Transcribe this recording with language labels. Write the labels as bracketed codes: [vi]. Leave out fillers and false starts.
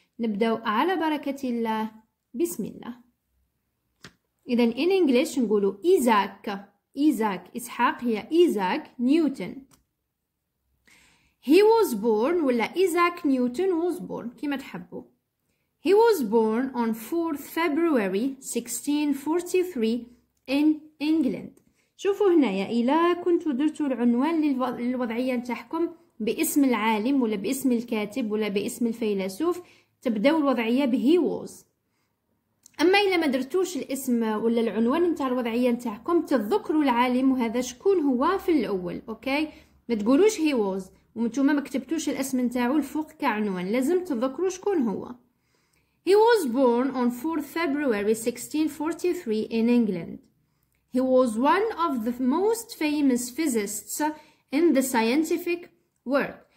[ar] نبدأ على بركة الله. بسم الله. إذا in English نقولوا إيزاك. إيزاك إسحاق هي إيزاك نيوتن. [en] He was born [ar] ولا إيزاك نيوتن [en] was born [ar] كما تحبوا. [en] He was born on 4th February 1643 in England. [ar] شوفوا هنا يا إلا كنت درت العنوان للوضعية تحكم باسم العالم ولا باسم الكاتب ولا باسم الفيلسوف، تبدأ الوضعية ب he was. أما إلا ما درتوش الاسم ولا العنوان نتاع الوضعية تحكم، تذكروا العالم وهذا شكون هو في الأول. أوكي، ما تقولوش he was ومتوما ما كتبتوش الاسم نتاعو الفوق كعنوان، لازم تذكروا شكون هو. [en] He was born on 4th February 1643 in England. He was one of the most famous physicists in the scientific world.